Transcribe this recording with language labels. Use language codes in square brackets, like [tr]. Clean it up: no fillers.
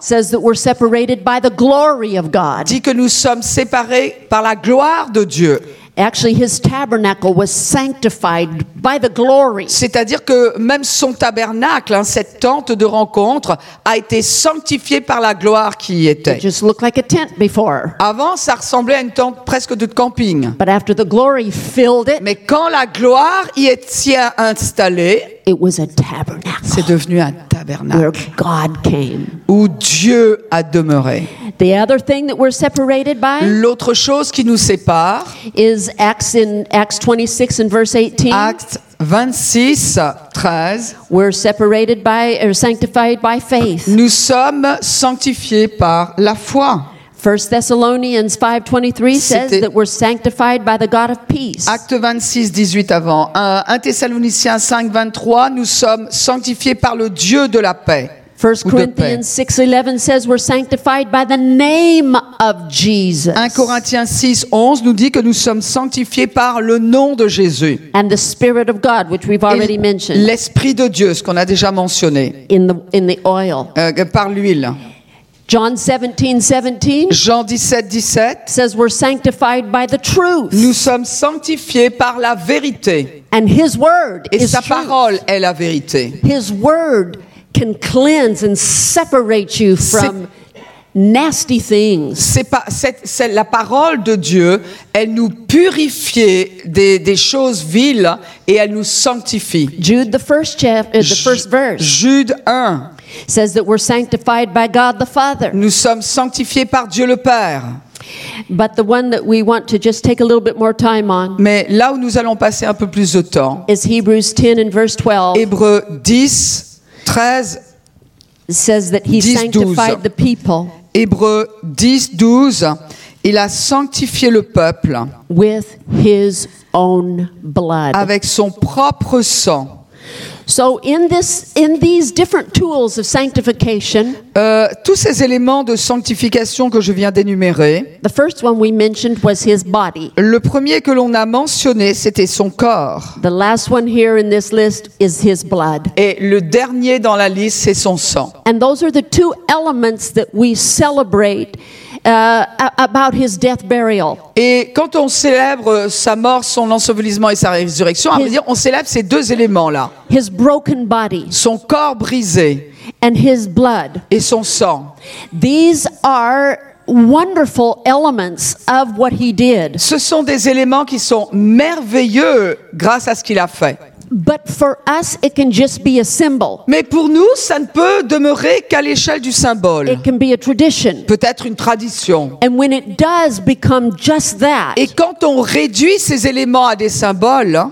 [en] Says that we're separated by the glory of God. [fr] Dit que nous sommes séparés par la gloire de Dieu. [en] Actually, his tabernacle was sanctified by the glory. [fr] C'est-à-dire que même son tabernacle, hein, cette tente de rencontre, a été sanctifié par la gloire qui y était. [en] It just looked like a tent before. [fr] Avant, ça ressemblait à une tente presque de camping. [en] But after the glory filled it, [fr] mais quand la gloire y était installée, [en] it was a tabernacle. [fr] C'est devenu un tabernacle [en] where God came. [fr] Où Dieu a demeuré. [en] The other thing that we're separated by, [fr] l'autre chose qui nous sépare, [en] is Acts 26 and verse 18. [fr] Acte 26, 13. [en] We're separated by or sanctified by faith. [fr] Nous sommes sanctifiés par la foi. [en] 1 Thessalonians 5:23 says [fr] c'était [en] that we're sanctified by the God of peace. [fr] Acte 26, 18 avant. 1 Thessaloniciens 5:23, nous sommes sanctifiés par le Dieu de la paix. [en] 1 Corinthians 6:11 says we're sanctified by the name of Jesus. [fr] 1 Corinthiens 6:11 nous dit que nous sommes sanctifiés par le nom de Jésus. [en] And the Spirit of God, which we've already mentioned. [fr] L'Esprit de Dieu, ce qu'on a déjà mentionné. [en] In the oil. [fr] Par l'huile. [en] John 17:17. [fr] Jean 17:17 [en] says we're sanctified by the truth. [fr] Nous sommes sanctifiés par la vérité. [en] And His word [fr] et [en] is [fr] sa parole [en] truth. [fr] Est la vérité. [en] His word can cleanse and separate you from nasty things. [fr] C'est la parole de Dieu, elle nous purifie des choses viles et elle nous sanctifie. [en] Jude the first verse. [fr] Jude 1. [en] Says that we're sanctified by God the Father. [fr] Nous sommes sanctifiés par Dieu le Père. [en] But the one that we want to just take a little bit more time on. [fr] Mais là où nous allons passer un peu plus de temps. [en] Is Hebrews 10 and verse 12. [fr] Hébreux 10, 13. [en] Says that He 10, sanctified 12. The people. [fr] Hébreux 10, 12. Il a sanctifié le peuple. [en] With His own blood. [fr] Avec son propre sang. [en] So in these different tools of sanctification, [fr] tous ces éléments de sanctification que je viens d'énumérer, [en] the first one we mentioned was his body. [fr] Le premier que l'on a mentionné, c'était son corps. [en] The last one here in this list is his blood. [fr] Et le dernier dans la liste, c'est son sang. [en] And those are the two elements that we celebrate about his death burial. [fr] Et quand on célèbre sa mort, son ensevelissement et sa résurrection, à vrai dire, on célèbre ces deux éléments-là. [en] His broken body. [fr] Son corps brisé. [en] And his blood. [fr] Et son sang. [en] These are wonderful elements of what he did. [fr] Ce sont des éléments qui sont merveilleux grâce à ce qu'il a fait. [en] But for us, it can just be a symbol. [fr] Mais pour nous, ça ne peut demeurer qu'à l'échelle du symbole. [en] It can be a tradition. [fr] Peut-être une tradition. [en] And when it does become just that, [fr] et quand on réduit ces éléments à des symboles,